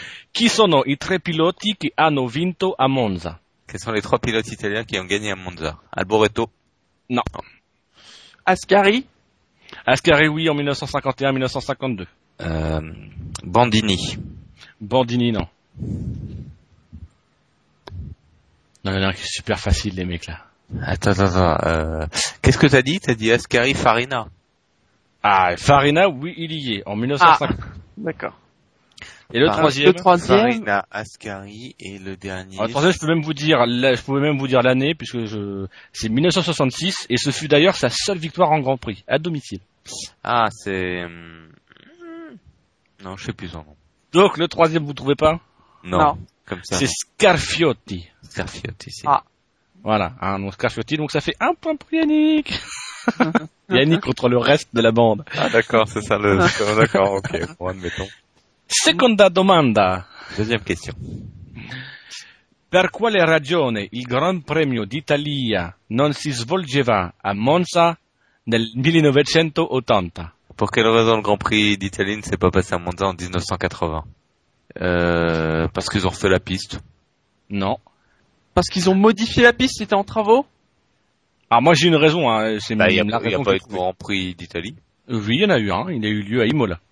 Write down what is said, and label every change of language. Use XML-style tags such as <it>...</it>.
<it>Chi sono i tre piloti che hanno vinto a Monza?</it> <fr>Quels sont les trois pilotes italiens qui ont gagné à Monza? Alboreto? Non. Ascari? Ascari, oui, en 1951-1952. Bandini? Bandini, non. Non, non, c'est super facile, les mecs, là. Attends. Qu'est-ce que t'as dit? T'as dit Ascari, Farina? Ah, Farina, oui, il y est, en 1950. Ah, d'accord. Et le troisième, Farina, Ascari, et le dernier. Alors, le troisième, je pouvais même vous dire l'année, puisque c'est 1966, et ce fut d'ailleurs sa seule victoire en Grand Prix, à domicile. Ah, c'est... Non, je sais plus en nom. Donc, le troisième, vous trouvez pas? Non. Non. Comme ça. C'est Scarfiotti. Scarfiotti, c'est. Ah. Voilà. Hein, donc Scarfiotti, donc ça fait un point pour Yannick. Yannick contre le reste de la bande. Ah, d'accord, c'est ça le, d'accord, ok, bon, admettons.</fr> <it>Seconda domanda.</it> <fr>Deuxième question.</fr> <it>Per quale ragione il Gran Premio d'Italia non si svolgeva a Monza nel 1980?</it> <fr>Pour quelle raison le Grand Prix d'Italie ne s'est pas passé à Monza en 1980? Parce qu'ils ont refait la piste. Non. Parce qu'ils ont modifié la piste, c'était en travaux? Ah, moi j'ai une raison, hein. C'est bah, même la raison. Il n'y a pas eu de Grand Prix d'Italie? Oui, il y en a eu un. Hein. Il a eu lieu à Imola.</fr>